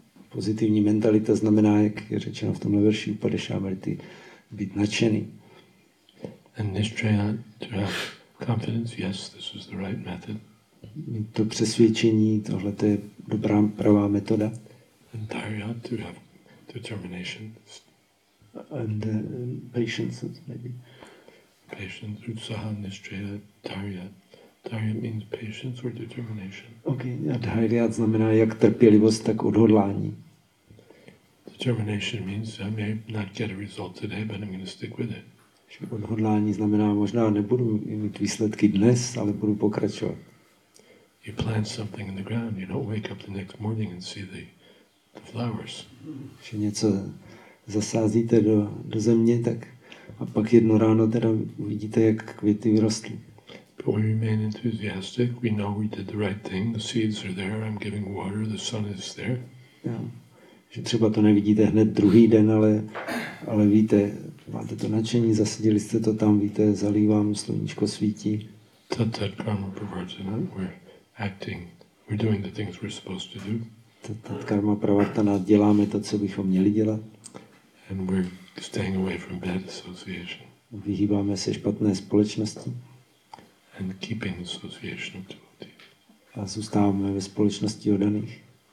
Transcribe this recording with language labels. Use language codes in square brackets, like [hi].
[cs] Pozitivní mentalita znamená, jak je řečeno v tomhle verši upadešávati, být nadšený. [en] And nishchaya, to have confidence, yes, this is the right method. [cs] To přesvědčení, tohle to je dobrá, pravá metoda. [en] And dharya, to have determination. And patience, maybe. Patience, utsaha, nishchaya, dharya. Dharya means patience or determination. [cs] Okay, a dharya znamená jak trpělivost, tak odhodlání. [en] Determination means I may not get a result today, but I'm going to stick with it. [cs] Že odhodlání znamená, možná nebudu mít výsledky dnes, ale budu pokračovat. [en] You plant something in the ground, you don't wake up the next morning and see the flowers. [cs] Že něco zasázíte do země, tak a pak jedno ráno teda vidíte, jak květy vyrostly. [en] But we remain enthusiastic, we know we did the right thing, the seeds are there, I'm giving water, the sun is there. [cs] Že třeba to nevidíte hned druhý den, ale víte, máte to nadšení, zasadili jste to tam, víte, zalívám, sluníčko svítí. [en] Tat karma pravartana, we're acting, we're doing the things we're supposed to do. [cs] Tat karma pravartana, děláme to, co bychom měli dělat. [en] And we're staying away from bad association. [cs] Vyhýbáme se špatné společnosti. [en] And keeping association of devotees. [cs] A zůstáváme ve společnosti oddaných.